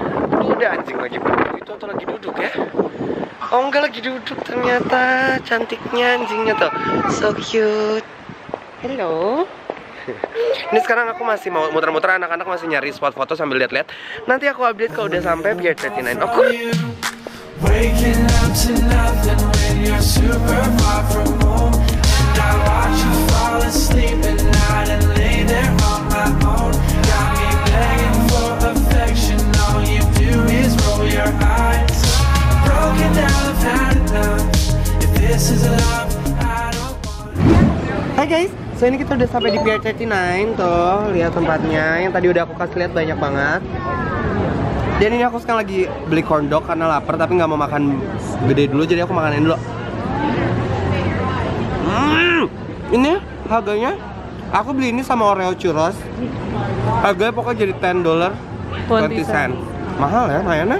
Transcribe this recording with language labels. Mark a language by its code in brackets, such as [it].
[id] Tuh udah anjing lagi berdiri itu atau lagi duduk ya? Oh enggak, lagi duduk ternyata. Cantiknya anjingnya tuh. [en] So cute. Hello. [id] Ini sekarang aku masih mau muter-muter, anak-anak masih nyari spot foto sambil lihat-lihat. Nanti aku update kalau udah sampai Pier 39. Oke. [en] Waking up to nothing when you're super far from home, and I watch you fall asleep at night and lay there on my own. Got me begging for affection, all you do is roll your eyes. Broken out of hand, if this is love, I don't want. Hi guys. [id] So ini kita udah sampai di Pier 39 tuh, lihat tempatnya yang tadi udah aku kasih lihat banyak banget. Dan ini aku sekarang lagi beli corn dog karena lapar tapi nggak mau makan gede dulu, jadi aku makanin dulu. Ini harganya, aku beli ini sama Oreo churros, harganya pokoknya jadi $10.20. Mahal ya, mayan ya?